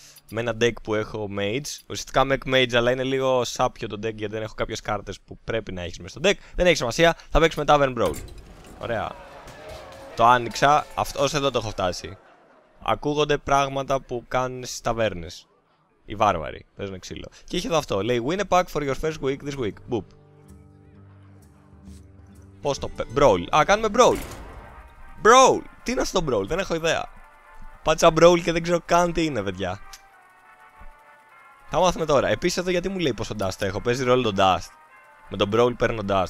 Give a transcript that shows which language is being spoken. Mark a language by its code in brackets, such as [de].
[el] Με ένα deck που έχω mage. Ουσιαστικά με mage, αλλά είναι λίγο σάπιο το deck γιατί δεν έχω κάποιες κάρτες που πρέπει να έχεις μέσα στο deck. Δεν έχει σημασία, θα παίξουμε Tavern Brawl. Ωραία. Το άνοιξα, αυτός εδώ το έχω φτάσει. Ακούγονται πράγματα που κάνουν στις ταβέρνες. Οι βάρβαροι, παίζουν ξύλο. Και έχει εδώ αυτό, λέει [en] win a pack for your first week this week. Boop. [el] Πώς το Brawl, α κάνουμε Brawl. Brawl, τι είναι αυτό το Brawl, δεν έχω ιδέα. Πάτσα Brawl και δεν ξέρω καν τι είναι, παιδιά. Θα μάθουμε τώρα. Επίσης εδώ γιατί μου λέει πόσο dust έχω. Παίζει ρόλο το dust. Με τον Brawl παίρνω dust.